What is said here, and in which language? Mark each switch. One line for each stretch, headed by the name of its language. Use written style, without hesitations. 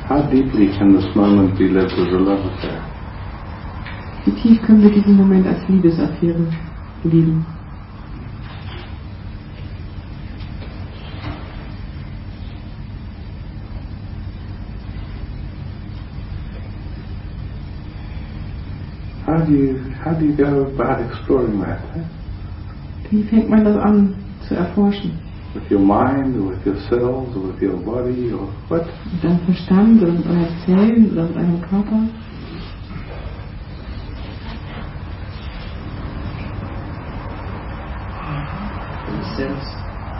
English: Deeply can this moment be lived as a love affair.
German: Wie tief können wir diesen Moment als Liebesaffäre lieben?
English: How do you go about exploring that?
German: Wie fängt man das an zu erforschen?
English: With your mind, or with your cells, or with your body, or what?
German: Mit deinem Verstand oder mit deinen Zellen oder mit deinem Körper.